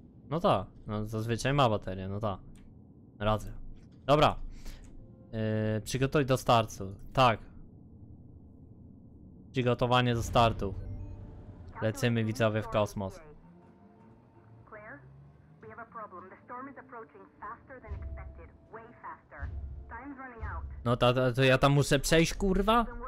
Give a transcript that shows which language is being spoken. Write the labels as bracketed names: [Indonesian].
[Polish] No tak, no zazwyczaj ma baterię, no tak. Radzę. Dobra. Przygotuj do startu. Tak. Przygotowanie do startu. Lecimy widzowie w kosmos. [English] Claire, we have a problem. The storm is approaching faster than expected. Way faster. Time's running out. [Polish] No to ja tam muszę przejść, kurwa?